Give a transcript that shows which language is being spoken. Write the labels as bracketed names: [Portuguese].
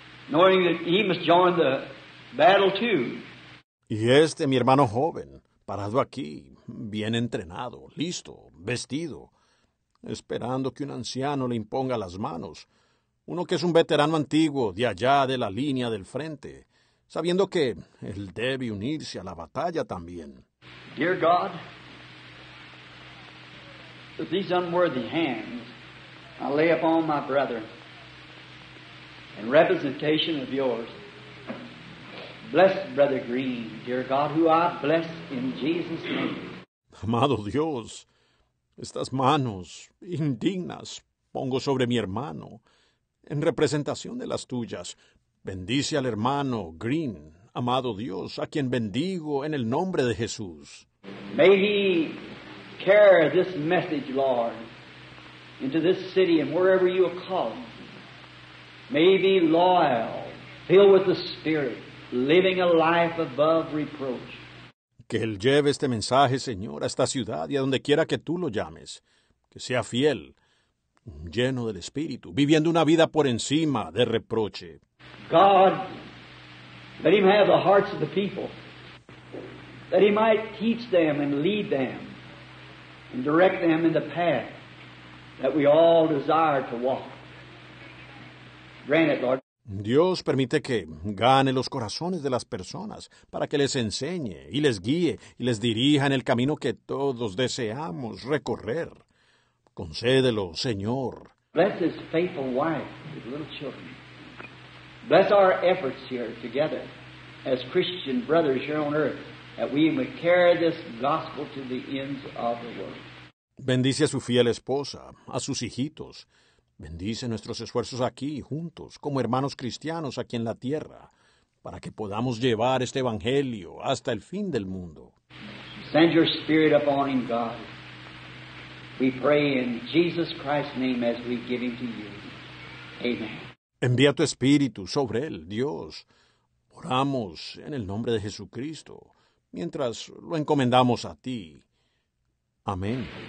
[English] knowing that he must join the battle too. [Spanish] Y este mi hermano joven, parado aquí, bien entrenado, listo, vestido, esperando que un anciano le imponga las manos, uno que es un veterano antiguo, de allá de la línea del frente, sabiendo que él debe unirse a la batalla también. [English] Dear God, with these unworthy hands, I lay upon my brother in representation of yours. Bless Brother Green, dear God, who I bless in Jesus' name. [Spanish] Amado Dios, estas manos indignas pongo sobre mi hermano en representación de las tuyas. Bendice al hermano Green, amado Dios, a quien bendigo en el nombre de Jesús. [English] May he carry this message, Lord, into this city and wherever you will call him. May he be loyal, filled with the Spirit, living a life above reproach. [Spanish] Que él lleve este mensaje, Señor, a esta ciudad y a donde quiera que tú lo llames. Que sea fiel, lleno del Espíritu, viviendo una vida por encima de reproche. [English] God, let him have the hearts of the people, that he might teach them and lead them and direct them in the path that we all desire to walk. Grant it, Lord. [Spanish] Dios permite que gane los corazones de las personas para que les enseñe y les guíe y les dirija en el camino que todos deseamos recorrer. Concédelo, Señor. [English] Bless his faithful wife with little children. Bless our efforts here together as Christian brothers here on earth that we may carry this gospel to the ends of the world. [Spanish] Bendice a su fiel esposa, a sus hijitos. Bendice nuestros esfuerzos aquí, juntos, como hermanos cristianos aquí en la tierra, para que podamos llevar este evangelio hasta el fin del mundo. [English] Send your spirit upon him, God. We pray in Jesus Christ's name as we give him to you. Amen. [Spanish] Envía tu espíritu sobre él, Dios. Oramos en el nombre de Jesucristo, mientras lo encomendamos a ti. Amén.